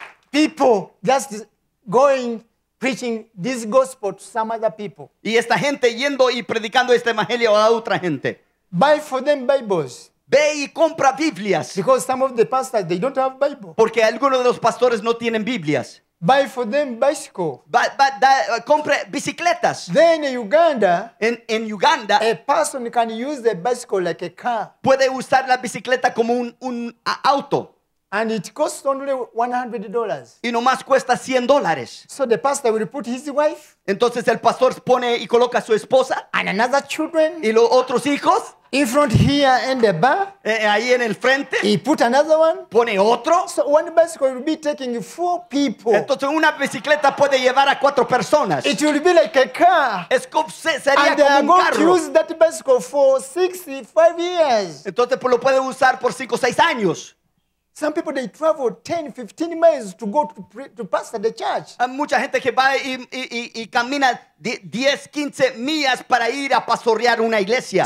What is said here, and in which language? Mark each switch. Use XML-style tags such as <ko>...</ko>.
<en>people just going preaching this gospel to some other people.</en> <es>Y esta gente yendo y predicando este evangelio a otra gente.</es> <en>Buy for them Bibles.</en> <es>Ve y compra Biblias.</es> <en>Because some of the pastors, they don't have Bible.</en> <es>Porque algunos de los pastores no tienen Biblias.</es> <en>Buy for them bicycle.</en> <es>Compre bicicletas.</es> <en>Then in Uganda,</en> <es>en Uganda,</es> <en>a person can use the bicycle like a car.</en> <es>Puede usar la bicicleta como un auto.</es> <en>And it costs only $100.</en> <es>Y nomás cuesta $100.</es> <en>So the pastor will put his wife.</en> <es>Entonces el pastor pone y coloca a su esposa.</es> <en>And another children.</en> <es>Y los otros hijos.</es> <en>In front here in the bar.</en> <es>Ahí en el frente.</es> <en>He put another one.</en> <es>Pone otro.</es> <en>So one bicycle will be taking 4 people.</en> <es>Entonces una bicicleta puede llevar a 4 personas.</es> <en>It will be like a car.</en> <es>Sería</es> <en>and</en> <es>como un carro.</es> <en>And they are going to use that bicycle for 65 years.</en> <es>Entonces pues, lo puede usar por 5 o 6 años.</es> <en>Some people they travel 10, 15 miles to go to pastor the church.</en> <es>Mucha gente que va y camina 10, 15 millas para ir a pastorear una iglesia.</es>